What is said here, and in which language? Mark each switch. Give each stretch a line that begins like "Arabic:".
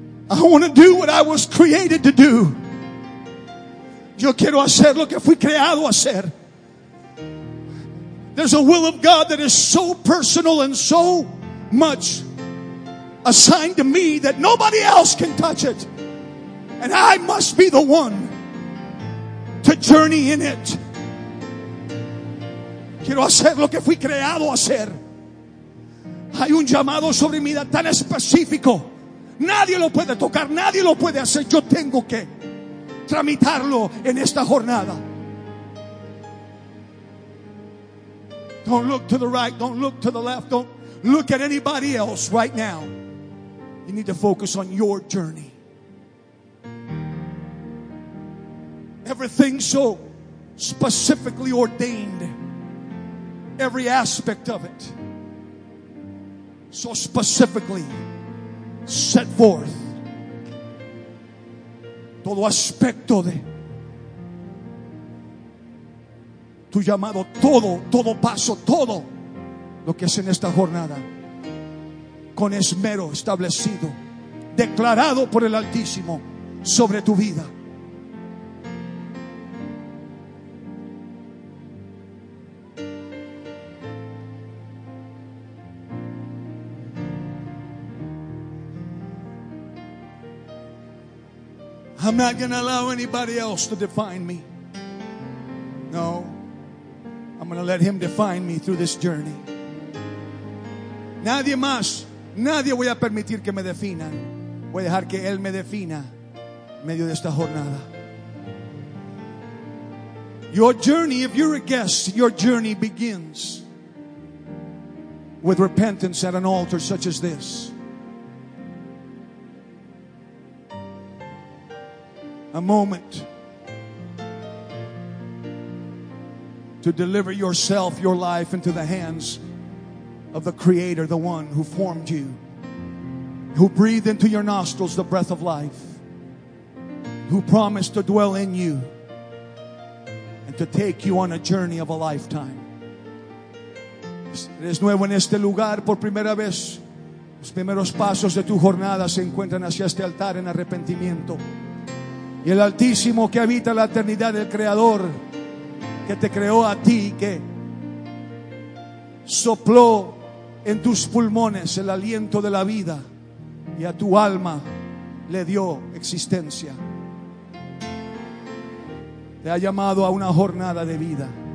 English: I want to do what I was created to do.
Spanish: Yo quiero hacer lo que fui creado a hacer.
English: There's a will of God that is so personal and so much assigned to me that nobody else can touch it. And I must be the one to journey in it.
Spanish: Quiero hacer lo que fui creado a hacer. Hay un llamado sobre mi vida tan específico. Nadie lo puede tocar, nadie lo puede hacer. Yo tengo que tramitarlo en esta jornada.
English: Don't look to the right, don't look to the left, don't look at anybody else right now. You need to focus on your journey. Everything so specifically ordained, every aspect of it, so specifically set forth.
Spanish: Todo aspecto de tu llamado, todo paso, todo lo que es en esta jornada, con esmero establecido, declarado por el Altísimo sobre tu vida.
English: I'm not going to allow anybody else to define me. No. I'm going to let him define me through this journey.
Spanish: Nadie más. Nadie voy a permitir que me defina. Voy a dejar que él me defina en medio de esta jornada.
English: Your journey, if you're a guest, your journey begins with repentance at an altar such as this. A moment to deliver yourself, your life, into the hands of the Creator, the one who formed you, who breathed into your nostrils the breath of life, who promised to dwell in you and to take you on a journey of a lifetime.
Spanish: Eres nuevo en este lugar por primera vez. Los primeros pasos de tu jornada se encuentran hacia este altar en arrepentimiento. Y el Altísimo que habita la eternidad, el Creador que te creó a ti, que sopló en tus pulmones el aliento de la vida y a tu alma le dio existencia, te ha llamado a una jornada de vida.